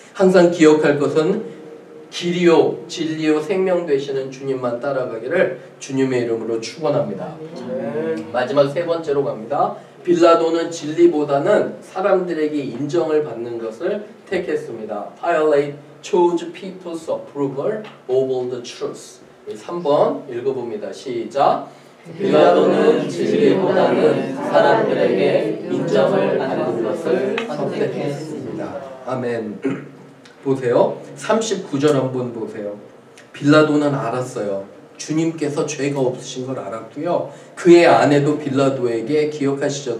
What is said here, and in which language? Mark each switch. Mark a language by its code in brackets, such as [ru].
[ko] 항상 기억할 것은 길이요 진리요 생명되시는 주님만 따라가기를 주님의 이름으로 축원합니다. 마지막 세 번째로 갑니다. 빌라도는 진리보다는 사람들에게 인정을 받는 것을 택했습니다. [en] Pilate chose people's approval over the truth. [ko] 3번 읽어봅니다. 시작! 빌라도는 진리보다는 사람들에게 인정을 받는 것을 선택했습니다. 아멘. 보세요. 39절 한번 보세요. 빌라도는 알았어요. 주님께서 죄가 없으신 걸 알았고요. 그의 아내도 빌라도에게 기억하시죠?